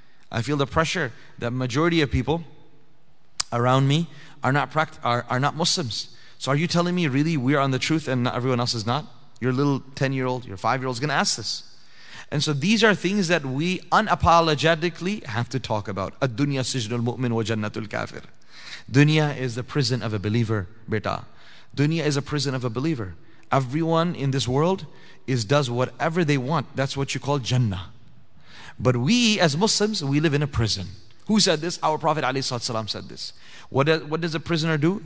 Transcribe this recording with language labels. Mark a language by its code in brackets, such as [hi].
[en] I feel the pressure that majority of people around me are not Muslims. So are you telling me really we are on the truth and everyone else is not? Your little 10-year-old, your 5-year-old is going to ask this. And so these are things that we unapologetically have to talk about. [ar] الدنيا سجن المؤمن وجنة الكافر. [en] Dunya is the prison of a believer, beta. Dunya is a prison of a believer. Everyone in this world does whatever they want. That's what you call Jannah. But we as Muslims, we live in a prison. Who said this? Our Prophet ﷺ said this. What does a prisoner do?